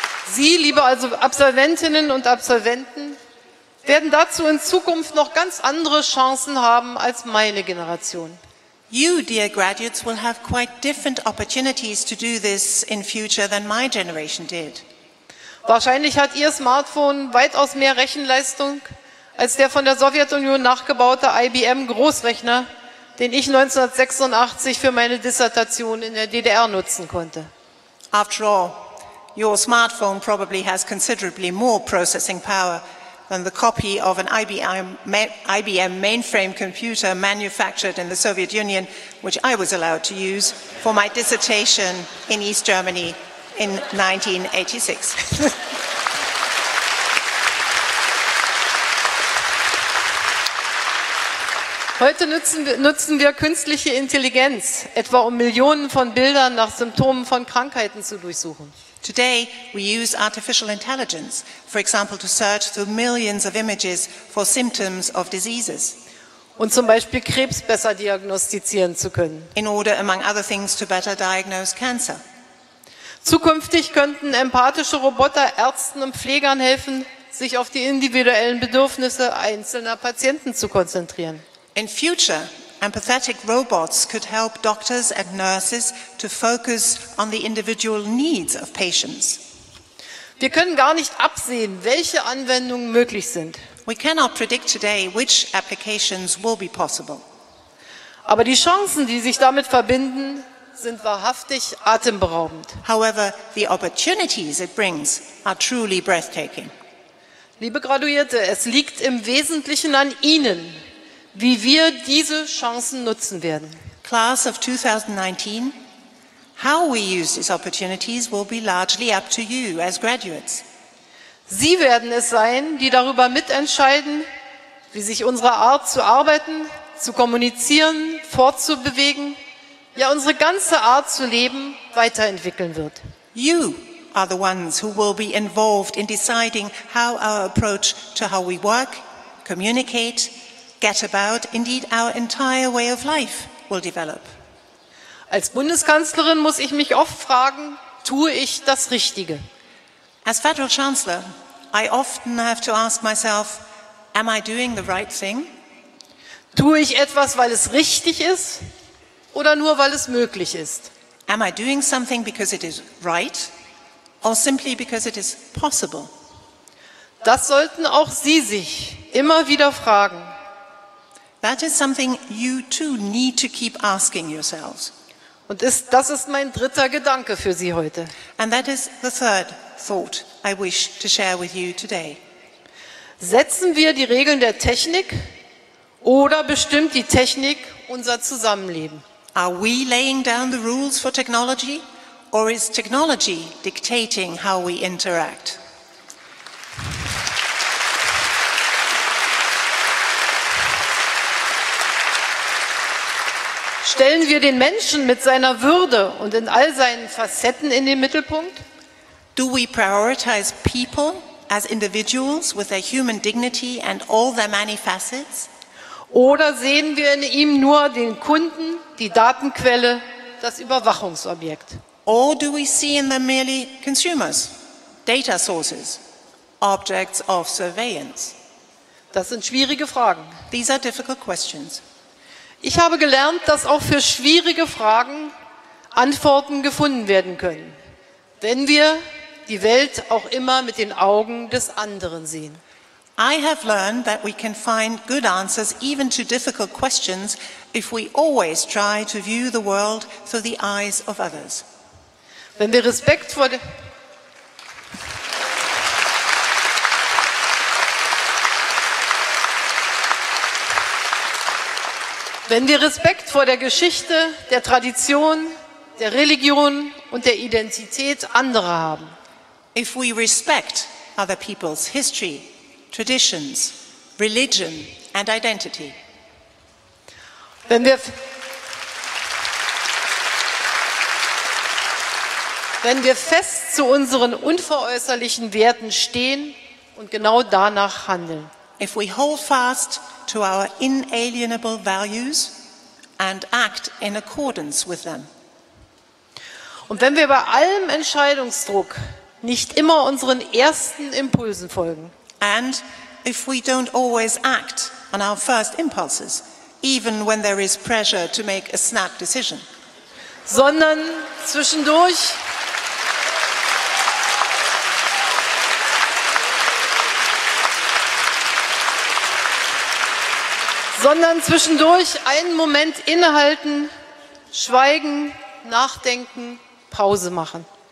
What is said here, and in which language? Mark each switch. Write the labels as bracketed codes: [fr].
[de] Sie, liebe also Absolventinnen und Absolventen, werden dazu in Zukunft noch ganz andere Chancen haben als meine Generation. [en] You, dear graduates, will have quite different opportunities to do this in future than my generation did. [de] Wahrscheinlich hat Ihr Smartphone weitaus mehr Rechenleistung als der von der Sowjetunion nachgebaute IBM-Großrechner, den ich 1986 für meine Dissertation in der DDR nutzen konnte. [en] After all, your smartphone probably has considerably more processing power than the copy of an IBM mainframe computer manufactured in the Soviet Union, which I was allowed to use for my dissertation in East Germany in 1986. [de] Heute nutzen wir künstliche Intelligenz, etwa um Millionen von Bildern nach Symptomen von Krankheiten zu durchsuchen. [en] Today we use artificial intelligence, for example, to search through millions of images for symptoms of diseases. [de] Und zum Beispiel Krebs besser diagnostizieren zu können. [en] In order, among other things, to better diagnose cancer. [de] Zukünftig könnten empathische Roboter Ärzten und Pflegern helfen, sich auf die individuellen Bedürfnisse einzelner Patienten zu konzentrieren. [en] In future, empathetic robots could help doctors and nurses to focus on the individual needs of patients. [de] Wir können gar nicht absehen, welche Anwendungen möglich sind. [en] We cannot predict today which applications will be possible. [de] Aber die Chancen, die sich damit verbinden, sind wahrhaftig atemberaubend. [en] However, the opportunities it brings are truly breathtaking. [de] Liebe Graduierte, es liegt im Wesentlichen an Ihnen, wie wir diese Chancen nutzen werden. [en] Class of 2019, how we use these opportunities will be largely up to you as graduates. [de] Sie werden es sein, die darüber mitentscheiden, wie sich unsere Art zu arbeiten, zu kommunizieren, fortzubewegen, ja unsere ganze Art zu leben, weiterentwickeln wird. [en] You are the ones who will be involved in deciding how our approach to how we work, communicate, get about, indeed our entire way of life will develop. [de] Als Bundeskanzlerin muss ich mich oft fragen, tue ich das Richtige? [en] As Federal Chancellor, I often have to ask myself, am I doing the right thing? [de] Tue ich etwas, weil es richtig ist oder nur, weil es möglich ist? [en] Am I doing something because it is right or simply because it is possible? [de] Das sollten auch Sie sich immer wieder fragen. [en] That is something you too need to keep asking yourselves. [de] Und das ist mein dritter Gedanke für Sie heute. [en] And that is the third thought I wish to share with you today. [de] Setzen wir die Regeln der Technik oder bestimmt die Technik unser Zusammenleben? [en] Are we laying down the rules for technology or is technology dictating how we interact? [de] Stellen wir den Menschen mit seiner Würde und in all seinen Facetten in den Mittelpunkt? [en] Do we prioritize people as individuals with their human dignity and all their many facets? [de] Oder sehen wir in ihm nur den Kunden, die Datenquelle, das Überwachungsobjekt? [en] Or do we see in them merely consumers, data sources, objects of surveillance? [de] Das sind schwierige Fragen. [en] These are difficult questions. [de] Ich habe gelernt, dass auch für schwierige Fragen Antworten gefunden werden können, wenn wir die Welt auch immer mit den Augen des anderen sehen. [en] I have learned that we can find good answers even to difficult questions if we always try to view the world through the eyes of others. [de] Wenn wir Respekt vor der Wenn wir Respekt vor der Geschichte, der Tradition, der Religion und der Identität anderer haben. [en] If we respect other people's history, traditions, religion and identity. [de] Wenn wir fest zu unseren unveräußerlichen Werten stehen und genau danach handeln. [en] If we hold fast to our inalienable values and act in accordance with them. [de] Und wenn wir bei allem Entscheidungsdruck nicht immer unseren ersten Impulsen folgen. [en] And if we don't always act on our first impulses, even when there is pressure to make a snap decision. [de] Sondern zwischendurch einen Moment innehalten, schweigen, nachdenken, Pause machen.